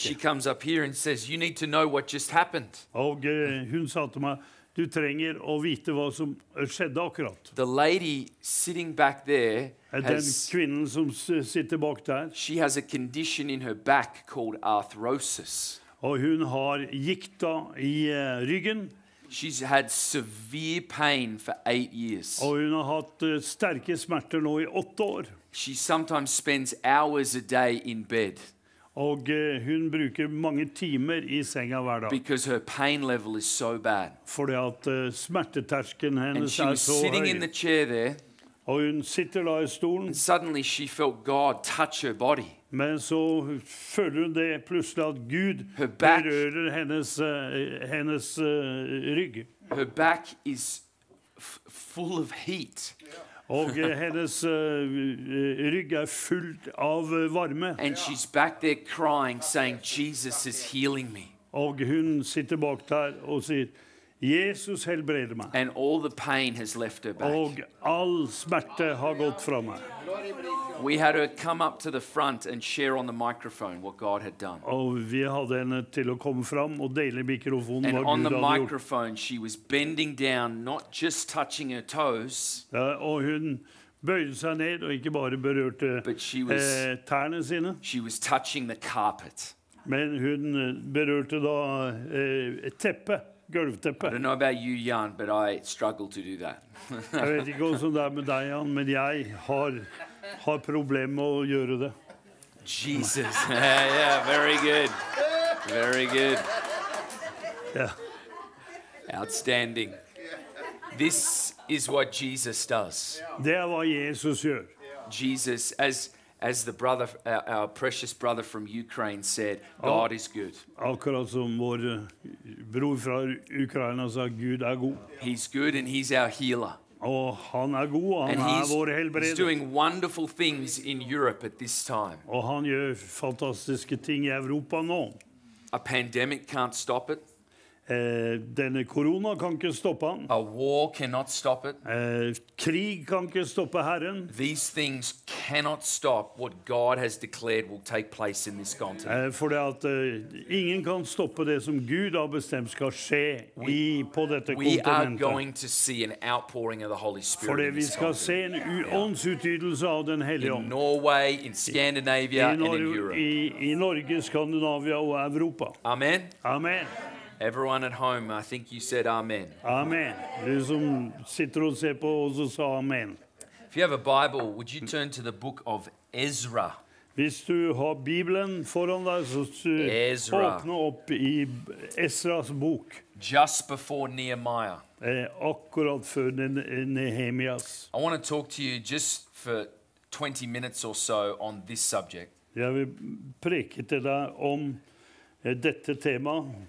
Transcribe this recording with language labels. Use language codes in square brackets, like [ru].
[en] She comes up here and says, you need to know what just happened. [no] Og hun sa til meg, du trenger å vite hva som skjedde akkurat. [en] The lady sitting back there has, [no] den kvinnen som sitter bak der, [en] she has a condition in her back called arthrosis. [no] Og hun har gikta I ryggen. [en] She's had severe pain for 8 years. [no] Og hun har hatt sterke smerter nå I 8 år. [en] She sometimes spends hours a day in bed. [no] Og hun bruker mange timer I senga hver dag. [en] Because her pain level is so bad. [no] Fordi at smerteterskelen hennes så høy. [en] And she was sitting in the chair there. [no] Og hun sitter da I stolen. [en] And suddenly she felt God touch her body. [no] Men så føler hun det plutselig at Gud berører hennes rygg. [en] Her back is full of heat. [no] Og hennes rygg fullt av varme. [en] And she's back there crying, saying, Jesus is healing me. [no] Og hun sitter bak der og sier, Jesus helbreder meg. [en] And all the pain has left her back. [no] Og all smerte har gått fra meg. [en] We had her come up to the front and share on the microphone what God had done. [no] Og vi hadde henne til å komme fram og dele mikrofonen hva Gud hadde gjort. [en] And on the microphone she was bending down, not just touching her toes. [no] Og hun bøyde seg ned og ikke bare berørte tærne sine. [en] She was touching the carpet. [no] Men hun berørte da et teppe. Gulvteppe. [en] I don't know about you, Jan, but I struggle to do that. [no] Jeg vet ikke hvordan det er med deg, Jan, men jeg har problemer med å gjøre det. [en] Jesus. Yeah, very good. Very good. Yeah. Outstanding. This is what Jesus does. [no] Det er hva Jesus gjør. [en] Jesus, as the brother, our precious brother from Ukraine said, God is good. [no] Akkurat som vår bror fra Ukraina sa, Gud er god. [en] He's good and he's our healer. [no] Og han er god, han er vår helbreder. [en] He's doing wonderful things in Europe at this time. [no] Og han gjør fantastiske ting i Europa nå. [en] A pandemic can't stop it. [no] Denne korona kan ikke stoppe han. [en] A war cannot stop it. [no] Krig kan ikke stoppe Herren. [en] These things cannot stop what God has declared will take place in this continent. [no] Fordi at ingen kan stoppe det som Gud har bestemt skal skje på dette kontinentet. [en] We are going to see an outpouring of the Holy Spirit. [no] Fordi vi skal se en åndsutgytelse av den hellige ånd. [en] In Norway, in Scandinavia, and in Europe. [no] I Norge, Skandinavia og Europa. [en] Amen. [no] Amen. [en] Everyone at home, I think you said amen. [no] Amen. Du som sitter og ser på oss og sa amen. [en] If you have a Bible, would you turn to the book of Ezra? [no] Hvis du har Bibelen foran deg, så åpne opp i Ezras bok. [en] Just before Nehemiah. [no] Akkurat før Nehemias. [en] I want to talk to you just for 20 minutes or so on this subject. [no] Jeg vil preke til deg om dette temaet.